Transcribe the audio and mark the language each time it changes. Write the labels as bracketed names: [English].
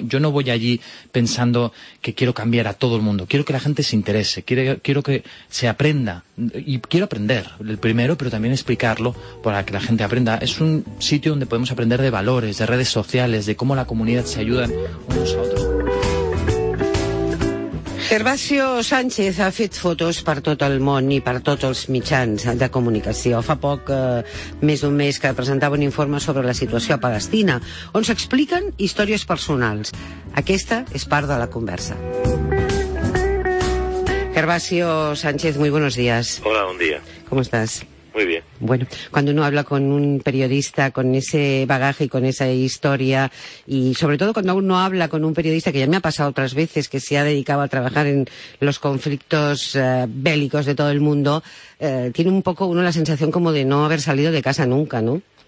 [Spanish] Yo no voy allí pensando que quiero cambiar a todo el mundo, quiero que la gente se interese, quiero que se aprenda, y quiero aprender el primero, pero también explicarlo para que la gente aprenda. Es un sitio donde podemos aprender de valores, de redes sociales, de cómo la comunidad se ayuda unos a otros. [Catalan] Gervasio Sánchez ha fet fotos per tot el món i per tots els mitjans de comunicació. Fa poc, més d'un mes, que presentava un informe sobre la situació a Palestina, on s'expliquen històries personals. Aquesta és part de la conversa. [Spanish] Gervasio Sánchez, muy buenos días. Hola, buen día. ¿Cómo estás? Muy bien. Bueno, cuando uno habla con un periodista con ese bagaje y con esa historia, y sobre todo cuando uno habla con un periodista, que ya me ha pasado otras veces, que se ha dedicado a trabajar en los conflictos bélicos de todo el mundo, tiene un poco uno la sensación como de no haber salido de casa nunca, ¿no?